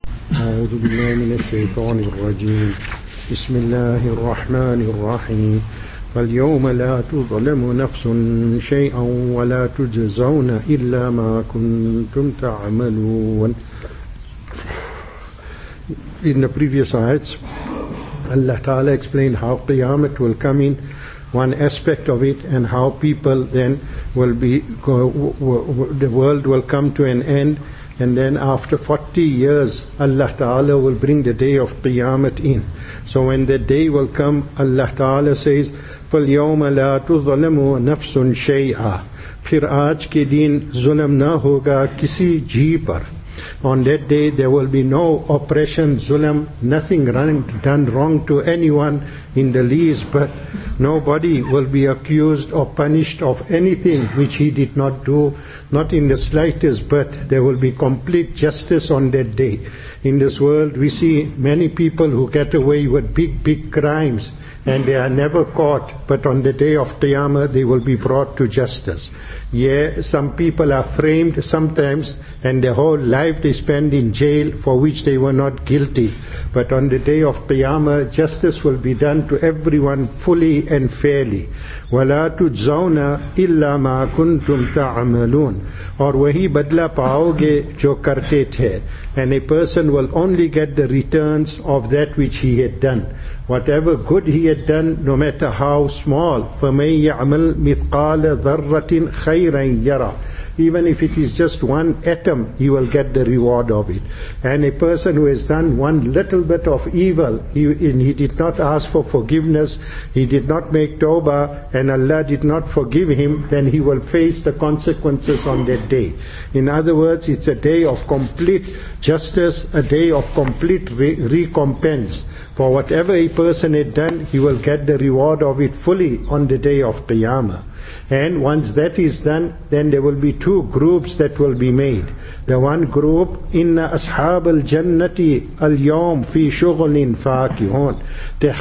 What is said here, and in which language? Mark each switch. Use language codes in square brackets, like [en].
[ar] أعوذ بالله من الشيطان الرجيم. بسم الله الرحمن الرحيم. فاليوم لا تظلم نفس شيئا ولا تجزون إلا ما كنتم تعملون. [en] In the previous ayats, Allah Ta'ala explained how Qiyamah will come in, one aspect of it, and how people then will be, the world will come to an end, and then after 40 years, Allah Ta'ala will bring the day of Qiyamah in. So when the day will come, Allah Ta'ala says, [ar] فَالْيَوْمَ لَا تُظَلَمُ نَفْسٌ شَيْئًا. [ur] پھر آج کے دن ظلم نہ ہوگا کسی جی پر. [en] On that day there will be no oppression, zulam, nothing done wrong to anyone in the least, but nobody will be accused or punished of anything which he did not do, not in the slightest, but there will be complete justice on that day. In this world we see many people who get away with big, big crimes and they are never caught, but on the day of Qiyamah they will be brought to justice. Yeah, some people are framed sometimes and their whole life they spend in jail for which they were not guilty. But on the day of Qiyamah, justice will be done to everyone fully and fairly. [ar] وَلَا تُجْزَوْنَا إِلَّا مَا كُنْتُمْ تَعْمَلُونَ. [ur] اور وہی بدلہ پاؤ گے جو کرتے تھے. [en] And a person will only get the returns of that which he had done. Whatever good he had done, no matter how small, [ar] فَمَنْ يَعْمَلْ مِثْقَالَ ذَرَّةٍ خَيْرًا يَرَى. [en] Even if it is just one atom, he will get the reward of it. And a person who has done one little bit of evil, he did not ask for forgiveness, he did not make tawbah, and Allah did not forgive him, then he will face the consequences on that day. In other words, it's a day of complete justice, a day of complete recompense. For whatever a person had done, he will get the reward of it fully on the day of Qiyamah. And once that is done, then there will be two groups that will be made. The one group, [ar] إِنَّ أَصْحَابَ الْجَنَّةِ الْيَوْمِ فِي شُغْلٍ فَاكِهُونَ.